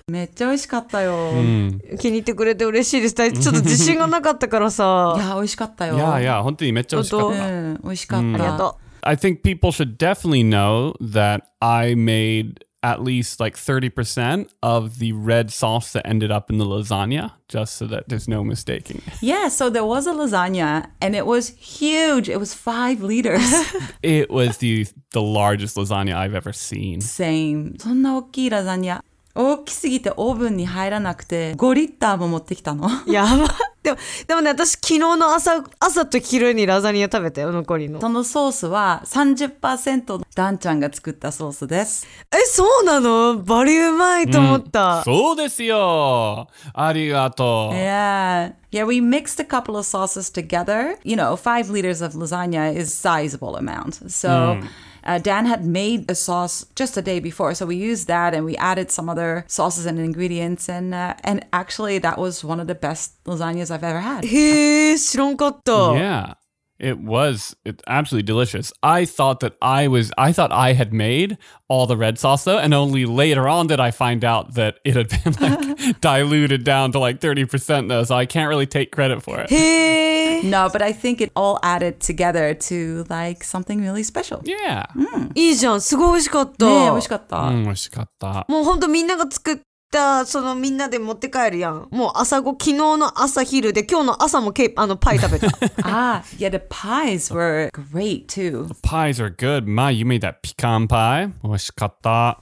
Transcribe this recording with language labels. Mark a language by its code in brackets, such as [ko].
[ja] めっちゃ美味しかったよ。気に入ってくれて嬉しいです。ちょっと自信がなかったからさ。いや、美味しかったよ。いや、本当にめっちゃ美味しかった。美味しかった。ありがとう。 [en] I think people should definitely know that I made at least like 30% of the red sauce that ended up in the lasagna, just so that there's no mistaking. Yeah, so there was a lasagna and it was huge. It was 5 liters. It was the largest lasagna I've ever seen. Same. [ja] そんな大きいラザニア。大きすぎてオーブンに入らなくて5リッターも持ってきたの。やば。でもね、私昨日の朝と昼にラザニア食べたよ、残りの。そのソースは 30% のダンちゃんが作ったソースです。え、そうなの？バリうまいと思った。うん、そうですよ。ありがとう。 [en] Yeah. Yeah, we mixed a couple of sauces together. You know, 5 liters of lasagna is a sizable amount. So...、うんDan had made a sauce just the day before, so we used that and we added some other sauces and ingredients, and actually that was one of the best lasagnas I've ever had. [ja] へー、知らんかった。 [en] Yeah, it was absolutely delicious. I thought I had made all the red sauce though, and only later on did I find out that it had been like diluted down to like 30% though, so I can't really take credit for it. [ja] へ [en] ーNo, but I think it all added together to like something really special. Yeah. [ja] いいじゃん。すごい美味しかった。ねえ、美味しかった。うん、美味しかった。もう本当みんなが作ったそのみんなで持って帰るやん。もう朝ご昨日の朝昼で今日の朝もパイ食べた。 [en] ah, yeah, the pies were great too. The pies are good. Ma, you made that pecan pie. [ja] 美味しかった。